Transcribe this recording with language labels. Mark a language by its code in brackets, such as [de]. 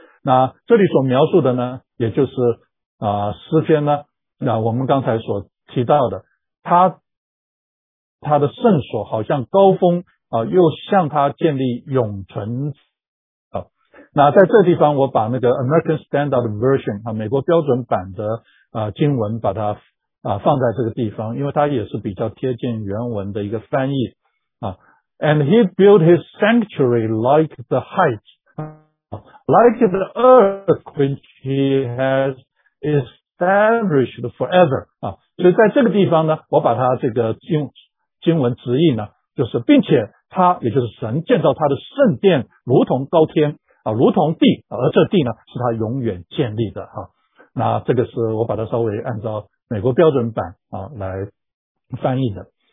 [zh] 那这里所描述的呢，也就是诗篇呢，那我们刚才所提到的，他的圣所好像高峰啊，又向他建立永存。那在这地方我把那个 American Standard Version 啊，美国标准版的经文把它放在这个地方，因为它也是比较贴近原文的一个翻译啊。 [en] And he built his sanctuary like the heights, like the earth which he has established forever 啊。 [zh] 所以在这个地方呢，我把它这个经文直译呢，就是并且他也就是神建造他的圣殿如同高天。如同地，而这地呢是他永远建立的哈、啊。那这个是我把它稍微按照美国标准版啊来翻译的。